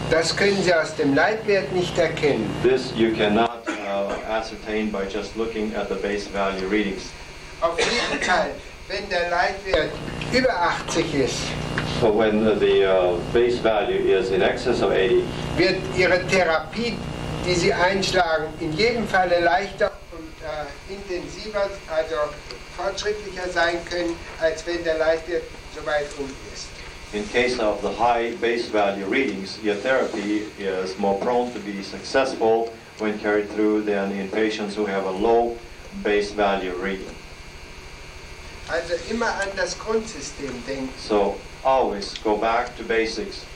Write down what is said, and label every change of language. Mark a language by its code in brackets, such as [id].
[de] das können Sie aus dem Leitwert nicht erkennen. [en] This you cannot ascertain by just looking at the base value readings. [de] Auf jeden Fall, wenn der Leitwert über 80 ist, [en] so when the base value is in excess of 80, [de] wird Ihre Therapie, die Sie einschlagen, in jedem Fall leichter und intensiver, also fortschrittlicher sein können, als wenn der Leitwert so weit unten ist. [en] In case of the high base value readings, your therapy is more prone to be successful when carried through than in patients who have a low base value reading. [de] Also immer an das Grundsystem denken. [en] So always go back to basics.